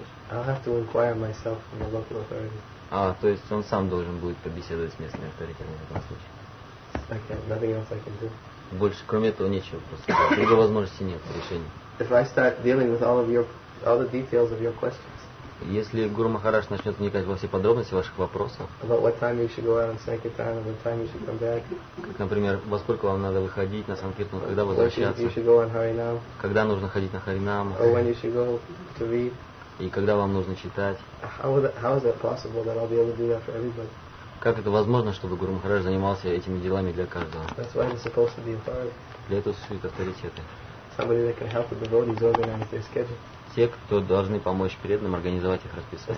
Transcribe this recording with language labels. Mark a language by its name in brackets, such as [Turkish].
[English] I'll have to inquire myself from the local authority. [Russian] То есть он сам должен будет побеседовать с местными авторитетами в этом случае. [English] I can't, nothing else I can do. [Russian] больше кроме этого нечего просто сказать. Другой возможности нет решения. [English] If I start dealing with all of your all the details of your questions. [Russian] Если Гуру Махарадж начнет вникать во все подробности ваших вопросов. [English] About what time you should go out on Sankirtan, what time you should come back. [Russian] Как, например, во сколько вам надо выходить на Санкиртан, когда возвращаться. [English] You should go on Харинам. [Russian] Когда нужно ходить на Харинам. [English] Or when you should go to read. [Russian] И когда вам нужно читать. [English] How is that possible that I'll be able to do that for everybody? [Russian] Как это возможно, чтобы Гуру Махарадж занимался этими делами для каждого? [English] That's why they're supposed to be authority. [Russian] Для этого существуют авторитеты. [English] Somebody that can help the devotees organize their schedule. [Russian] Те, кто должны помочь преданным организовать их расписание.